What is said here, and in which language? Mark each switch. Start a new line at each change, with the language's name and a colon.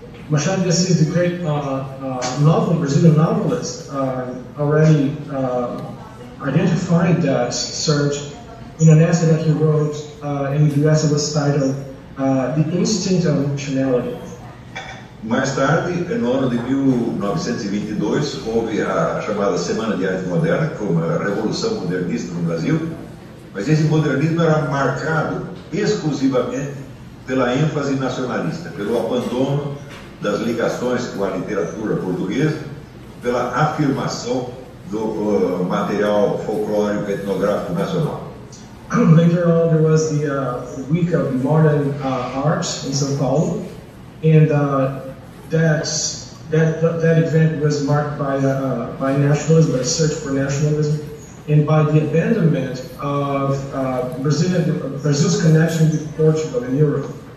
English: Machado de Assis, the great novel, Brazilian novelist, already identified that search in an essay that he wrote in the US. It was titled The Instinct of Nationality.
Portuguese: Mais tarde, no ano de 1922, houve a chamada Semana de Arte Moderna, que foi uma revolução modernista no Brasil, mas esse modernismo era marcado exclusivamente pela ênfase nacionalista, pelo abandono das ligações com a literatura portuguesa, pela afirmação do material folclórico etnográfico nacional.
English: Later on, there was the Week of Modern Arts in São Paulo, and that event was marked by nationalism, by a search for nationalism, and by the abandonment of Brazil's connection with Portugal and Europe.